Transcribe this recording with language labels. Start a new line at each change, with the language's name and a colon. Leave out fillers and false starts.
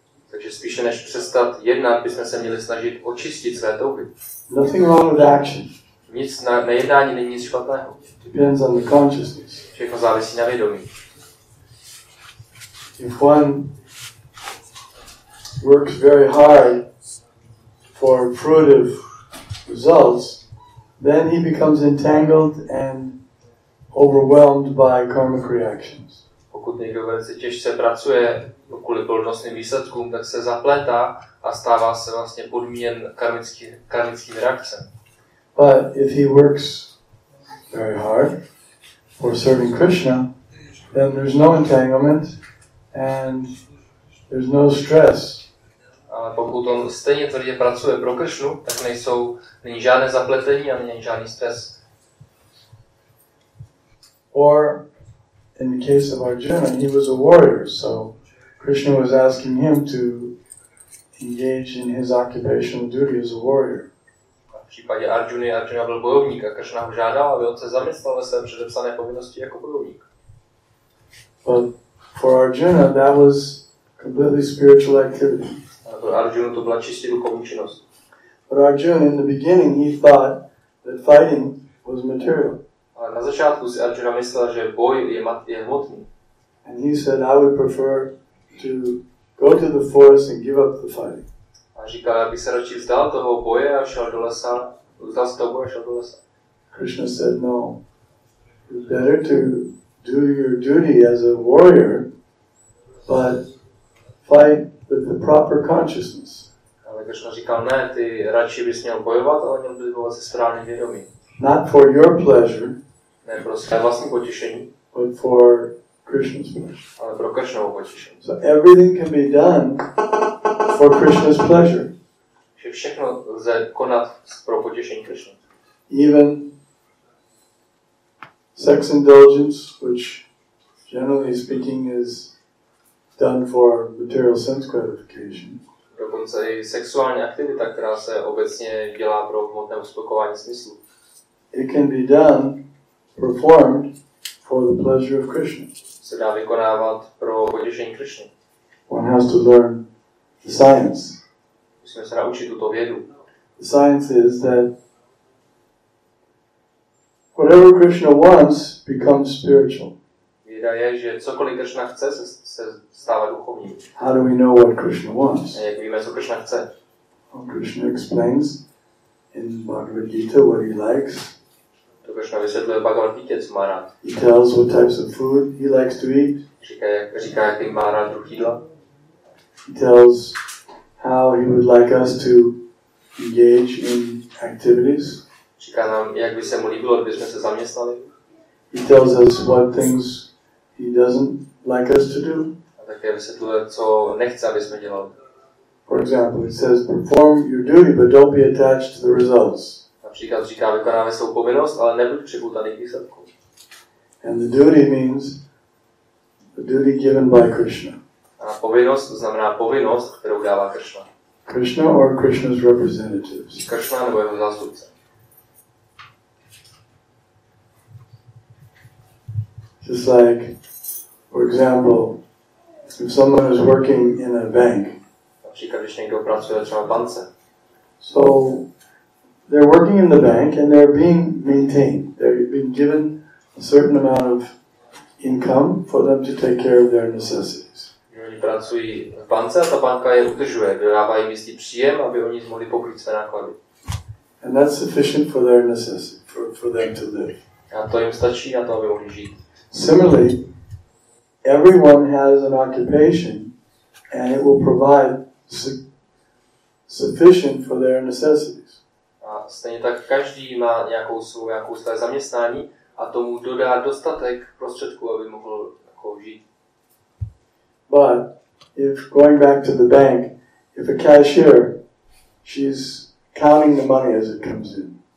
Czech: Takže spíše než přestat jednat, bychom se měli snažit očistit své touhy.
English: Nothing wrong with action.
Czech: Nic na jednání není nic špatného.
English: Depends on the consciousness.
Czech: Všechno závisí na vědomí.
English: If one works very hard for fruitive results, then he becomes entangled and overwhelmed by karmic reactions.
Czech: Pokud někdo velice těžce pracuje kvůli plodnostným výsledkům, tak se zapletá a stává se vlastně podmíněn karmickým reakcem.
English: But if he works very hard for serving Krishna, then there's no entanglement and there's no stress.
Czech: Ale pokud on stejně tvrdě pracuje pro Kršnu, tak není žádné zapletení a není žádný stres.
English: Or in the case of Arjuna, he was a warrior, so Krishna was asking him to engage in his occupational duty as a warrior.
Czech: A v případě Arjuna byl bojovník a Kršna ho žádal, aby on se zamyslel ve své předepsané povinnosti jako bojovník.
English: But for Arjuna, that was completely spiritual activity.
Czech: Arjuna to byla čistě duchovní činnost.
English: But Arjuna in the beginning he thought that fighting was material.
Czech: Ale na začátku si Arjuna myslel, že boj je hmotný.
English: And he said, I would prefer to go to the forest and give up the fighting.
Czech: A říkal, aby se radši vzdal toho boje a šel do lesa. Vzdal se toho boje a šel do lesa.
English: Krishna said, no. It's better to do your duty as a warrior, but fight with the proper consciousness.
Czech: Ale Krishna říkal, ne, ty radši bys měl bojovat, ale měl bys bojovat se správným vědomím.
English: Not for your pleasure,
Czech: ne pro své vlastní potěšení,
English: but for Krishna's pleasure.
Czech: Ale pro Krishnovo potěšení.
English: So everything can be done for Krishna's pleasure.
Czech: Že všechno lze konat pro potěšení Krishna.
English: Even sex indulgence, which generally speaking is done for material sense gratification.
Czech: Dokonce i sexuální aktivita, která se obecně dělá pro hmotné uspokojování smyslu.
English: It can be done, performed for the pleasure of Krishna.
Czech: Se dá vykonávat pro potěšení Krishna.
English: One has to learn the science.
Czech: Musíme se naučit tuto vědu.
English: The science is that whatever Krishna wants becomes spiritual.
Czech: Věda je, že cokoliv Krishna chce, se stává duchovním.
English: How do we know what Krishna wants?
Czech: A jak víme, co Krishna chce?
English: Well, Krishna explains in Bhagavad Gita what he likes.
Czech: To Krishna vysvětluje Bhagavad Gita, co má rád.
English: He tells what types of food he likes to eat.
Czech: Říká, jaký má rád druh jídla.
English: He tells how he would like us to engage in activities.
Czech: Říká nám, jak by se mu líbilo, kdyby jsme se zaměstnali.
English: He tells us what things he doesn't like us to do.
Czech: A také vysvětluje, co nechce, aby jsme dělali.
English: For example, it says perform your duty, but don't be attached to the results.
Czech: Například říká, vykonáme svou povinnost, ale nebuď připoutaný k výsledku.
English: And the duty means the duty given by Krishna.
Czech: A povinnost znamená povinnost, kterou dává Krishna.
English: Krishna or Krishna's representatives.
Czech: Krishna nebo jeho zástupce.
English: Just like, for example, if someone is working in a bank.
Czech: Například, když někdo pracuje třeba v bance.
English: So they're working in the bank and they're being maintained. They're being given a certain amount of income for them to take care of their necessities.
Czech: Oni pracují v bance a ta banka je udržuje, dává jim jistý příjem, aby oni mohli pokrýt své náklady.
English: And that's sufficient for their necessity, for them to live.
Czech: A to jim stačí na to, aby mohli žít.
English: Similarly, everyone has an occupation and it will provide sufficient for their necessities.
Czech: A stejně tak každý má nějakou svou zaměstnání a tomu dodá dostatek prostředků, aby mohl jako žít.
English: But if going back to the bank, if a cashier, she's counting the money as it comes in.